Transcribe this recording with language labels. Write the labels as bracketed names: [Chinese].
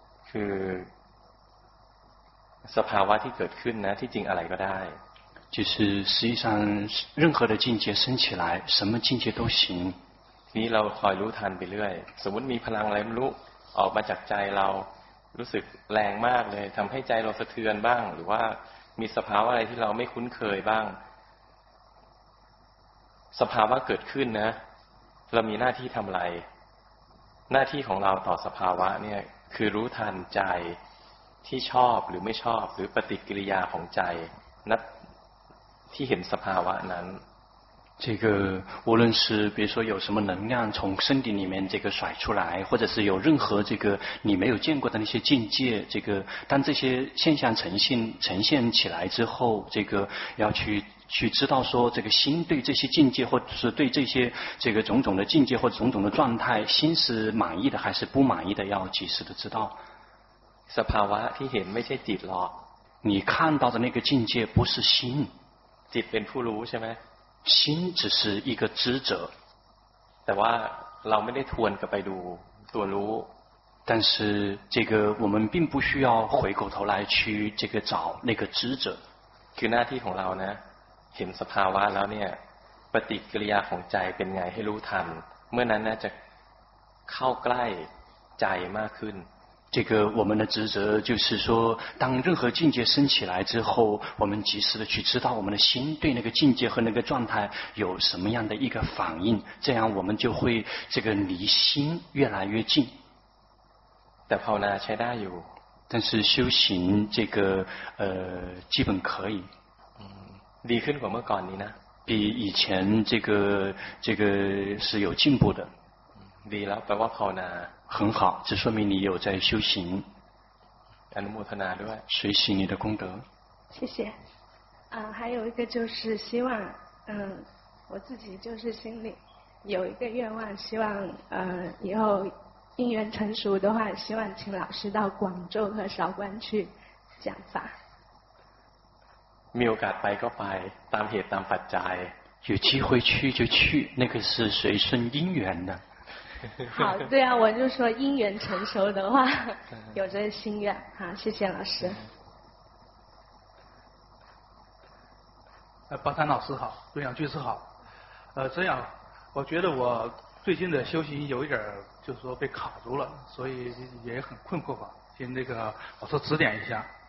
[Thai] คือสภาวะที่เกิดขึ้นนะที่จริงอะไรก็ได้ [Chinese] 就是实际上任何的境界升起来什么境界都行 [Thai] นี่เราคอยรู้ทันไปเรื่อยสมมติมีพลังอะไรไม่รู้ออกมาจากใจเรารู้สึกแรงมากเลยทำให้ใจเราสะเทือนบ้างหรือว่ามีสภาวะอะไรที่เราไม่คุ้นเคยบ้างสภาวะเกิดขึ้นนะเรามีหน้าที่ทำอะไรหน้าที่ของเราต่อสภาวะเนี่ยคือรู้ทันใจที่ชอบหรือไม่ชอบหรือปฏิกิริยาของใจนั้นที่เห็นสภาวะนั้น [Chinese] 这个无论是比如说有什么能量从身体里面这个甩出来，或者是有任何这个你没有见过的那些境界，这个当这些现象呈现起来之后，这个要去知道说这个心对这些境界或者是对这些这个种种的境界或者种种的状态，心是满意的还是不满意的，要及时的知道。 [Thai] สภาวะที่เห็นไม่ใช่จิตหรอก [Chinese] 你看到的那个境界不是心， [Thai] จิตเป็นผู้รู้ใช่ไหม [Chinese] 心只是一个知者 [Thai] แต่ว่าเราไม่ได้ทวนกลับไปดูตัวรู้ [Chinese] 但是这个我们并不需要回过头来去这个找那个知者 [Thai] คือหน้าที่ของเรานะเห็นสภาวะแล้วเนี่ยปฏิกิริยาของใจเป็นไงให้รู้ทันเมื่อนั้นน่าจะเข้าใกล้ใจมากขึ้น [Chinese] 这个我们的职责就是说，当任何境界升起来之后，我们及时的去知道我们的心对那个境界和那个状态有什么样的一个反应，这样我们就会这个离心越来越近。 [Thai] แต่ภาวนาใช้ได้อยู่ [Chinese] 但是修行这个基本可以。 [Thai] ดีขึ้นกว่าเมื่อก่อนนี้นะ [Chinese] 比以前这个是有进步的。 [Thai] ดีแล้วแปลว่าภาวนา [Chinese] 很好，这说明你有在修行。 [Thai] อนุโมทนาด้วย [Chinese] 随喜你的功德。谢谢。还有一个就是希望，我自己就是心里有一个愿望，希望以后因缘成熟的话，希望请老师到广州和韶关去讲法。 [Thai] มีโอกาสไปก็ไปตามเหตุตามปัจจัย [Chinese] 有机会去就去，那个是随顺因缘的。好，对啊，我就说因缘成熟的话，有这心愿。好，谢谢老师。巴山老师好，瑞阳居士好。这样，我觉得我最近的修行有一点，就是说被卡住了，所以也很困惑吧，请那个老师指点一下。